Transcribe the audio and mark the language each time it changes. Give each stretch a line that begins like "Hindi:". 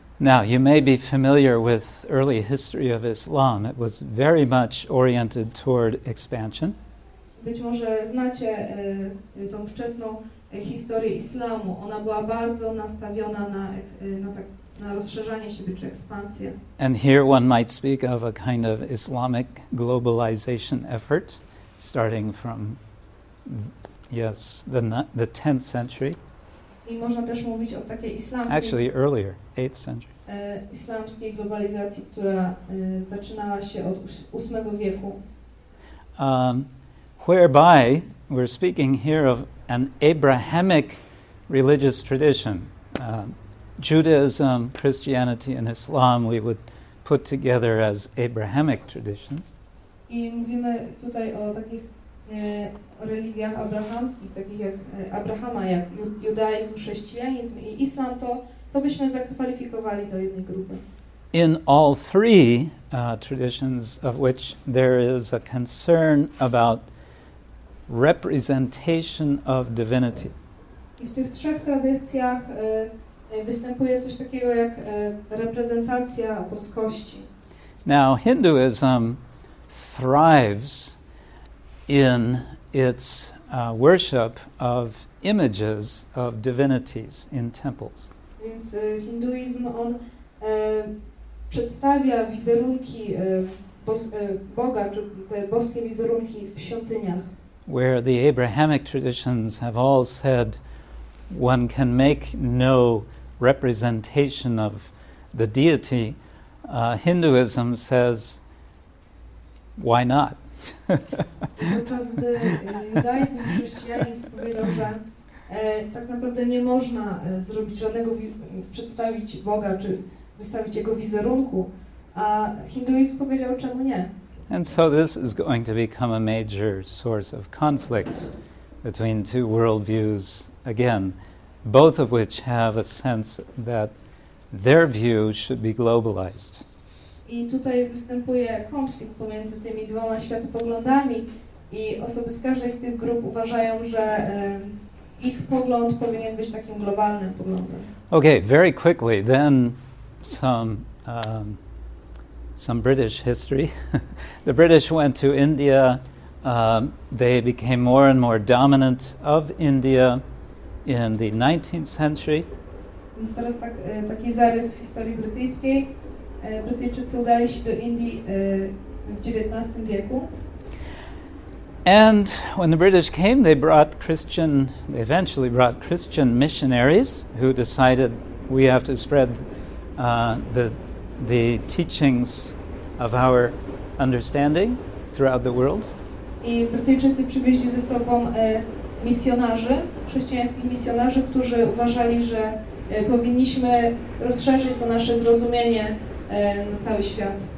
English: Now, you may be familiar with early history of Islam. It was very much oriented toward expansion.
Polish: Być może znacie tą wczesną historię islamu. Ona była bardzo nastawiona na rozszerzanie się, czy ekspansję.
English: And here one might speak of a kind of Islamic globalization effort starting from, the 10th century.
Polish: I można też mówić o takiej islamskiej...
English: Actually, earlier, 8th century.
Polish: Islamskiej globalizacji, która zaczynała się od 8 wieku.
English: Whereby we're speaking here of an Abrahamic religious tradition. Judaism, Christianity and Islam we would put together as Abrahamic traditions.
Polish: I mówimy tutaj o takich religiach abrahamskich, takich jak Abrahama, jak judaizm, chrześcijanizm i islam, to byśmy zakwalifikowali do jednej grupy.
English: In all three traditions, of which there is a concern about representation of divinity.
Polish: I w tych trzech tradycjach występuje coś takiego jak reprezentacja boskości.
English: Now, Hinduism thrives in its worship of images of divinities in temples.
Polish: Więc hinduizm, on przedstawia wizerunki Boga, czy te boskie wizerunki w świątyniach.
English: Where the Abrahamic traditions have all said one can make no representation of the deity, Hinduism says, why not?
Polish: Podczas gdy judaizm, chrześcijanizm powiedział, że tak naprawdę nie można zrobić żadnego, przedstawić Boga, czy wystawić jego wizerunku, a hinduizm powiedział, czemu nie?
English: And so this is going to become a major source of conflict between two worldviews, again, both of which have a sense that their view should be globalized.
Polish: I tutaj występuje konflikt pomiędzy tymi dwoma światopoglądami, i osoby z każdej z tych grup uważają, że ich pogląd powinien być takim globalnym poglądem.
English: Okay, very quickly, then some British history. The British went to India. They became more and more dominant of India in the 19th century.
Polish: Więc teraz taki zarys historii brytyjskiej. Brytyjczycy udali się do Indii w XIX wieku.
English: And when the British came, they eventually brought Christian missionaries who decided we have to spread the teachings of our understanding throughout the world.
Polish: I Brytyjczycy przywieźli ze sobą misjonarzy, chrześcijańskich misjonarzy, którzy uważali, że powinniśmy rozszerzyć to nasze zrozumienie na cały świat.